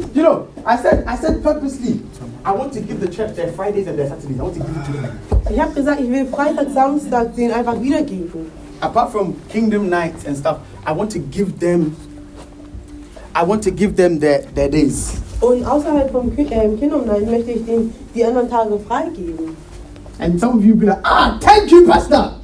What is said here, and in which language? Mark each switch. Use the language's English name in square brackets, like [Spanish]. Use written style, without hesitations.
[English] You know, I said purposely, I want to give the church their Fridays and their Saturdays. I want to give it to them. [German] Ich habe gesagt, ich will Freitag, Samstag den einfach wiedergeben. [English] Apart from Kingdom nights and stuff, I want to give them their days. [German] Und außerhalb vom Kindernein möchte ich den die anderen Tage freigeben. [English] And some of you be like, thank you, Pastor.